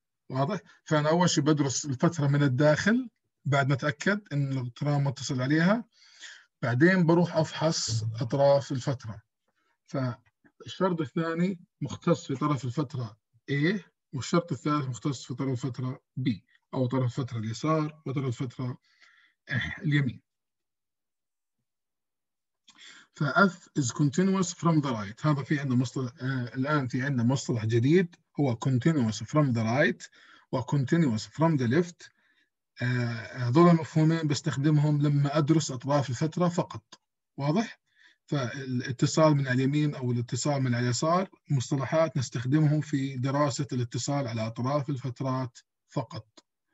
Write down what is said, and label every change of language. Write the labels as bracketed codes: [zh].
[ar] واضح؟ فأنا أول شيء بدرس الفترة من الداخل بعد ما أتأكد أن الاقتران متصل عليها، بعدين بروح أفحص أطراف الفترة. فالشرط الثاني مختص في طرف الفترة A، والشرط الثالث مختص في طرف الفترة B، أو طرف الفترة اليسار وطرف الفترة اليمين. [en] فF is continuous from the right. [ar] هذا في عندنا مصطلح الآن، في عندنا مصطلح جديد هو continuous from the right و continuous from the left. هذول المفهومين بستخدمهم لما أدرس أطراف الفترة فقط. واضح؟ فالاتصال من اليمين أو الاتصال من اليسار مصطلحات نستخدمهم في دراسة الاتصال على أطراف الفترات فقط.